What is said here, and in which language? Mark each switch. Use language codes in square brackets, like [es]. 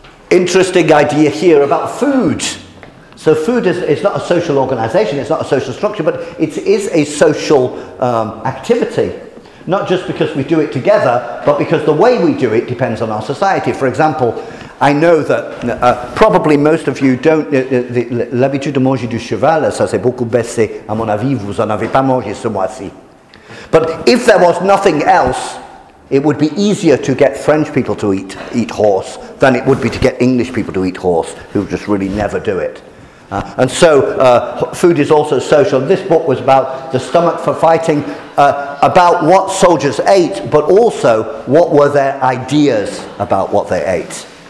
[en] Interesting idea here about food. So food is not a social organization, it's not a social structure, but it is a social activity. Not just because we do it together, but because the way we do it depends on our society. For example, I know that probably most of you don't... [fr] L'habitude de manger du cheval, ça s'est beaucoup baissé. À mon avis, vous en avez pas mangé ce mois-ci. [en] But if there was nothing else, it would be easier to get French people to eat horse than it would be to get English people to eat horse, who just really never do it. And so food is also social. This book was about the stomach for fighting, about what soldiers ate, but also what were their ideas about what they ate.